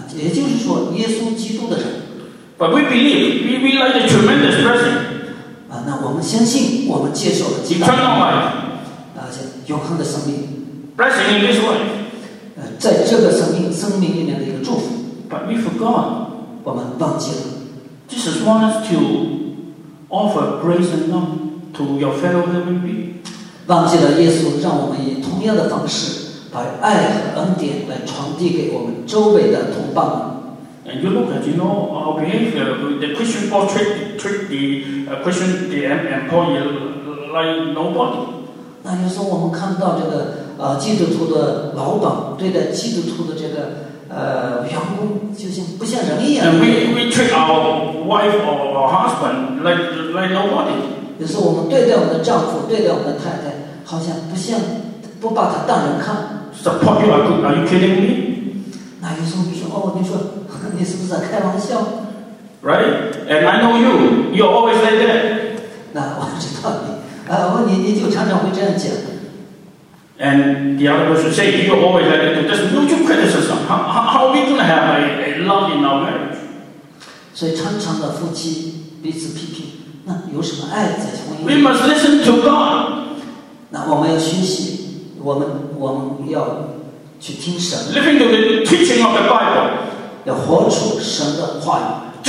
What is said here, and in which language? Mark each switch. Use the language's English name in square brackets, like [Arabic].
[Chinese] 也就是说耶稣基督的人。 [English] But we believe, we like a tremendous blessing. [Chinese] 啊，那我们相信，我们接受了极大 [English] 的 eternal life, [Chinese] 那些永恒的生命 [English] blessing in this world, [Chinese] 在这个生命里面的一个祝福。 [English] But we forgot, [Chinese] 我们忘记了。 [English] Jesus wants to offer grace and love to your fellow human being. [Chinese] 忘记了耶稣让我们以同样的方式把爱和恩典来传递给我们周围的同伴们。 [English] And you look at, you know, our behavior, the Christian Paul treat the Christian, the employee like nobody. [Chinese] 那有时候我们看到这个基督徒的老板对待基督徒的这个员工就像不像人一样。 [English] And we treat our wife or our husband like nobody. [Chinese] 有时候我们对待我们的丈夫，对待我们的太太，好像不像，不把他当人看。 [English] Support you are you kidding me? [Chinese] 那有时候你说，哦，你说，你是不是在开玩笑 [English] ？Right? And I know you. You always like that. [Chinese] 那我知道你，啊，我你就常常会这样讲。 [English] And the other person say you always like that. There's no two criticism. How we gonna have a love in our marriage? [Chinese] 所以常常的夫妻彼此批评。那有什么爱在婚姻里？ [English] We must listen to God. [Chinese] 那我们要学习，我们要去听神。 [English] Living to the teaching of the Bible. [Chinese] 要活出神的话语。